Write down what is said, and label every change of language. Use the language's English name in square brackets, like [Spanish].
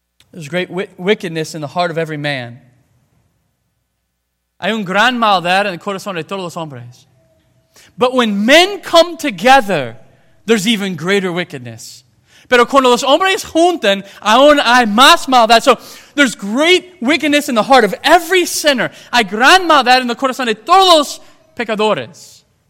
[English] There's great wickedness in the heart of every man. [Spanish] Hay un gran maldad en el corazón de todos los hombres. [English] But when men come together, there's even greater wickedness. [Spanish] Pero cuando los hombres juntan, aún hay más maldad. [English] So there's great wickedness in the heart of every sinner. [Spanish] Hay gran maldad en el corazón de todos los pecadores.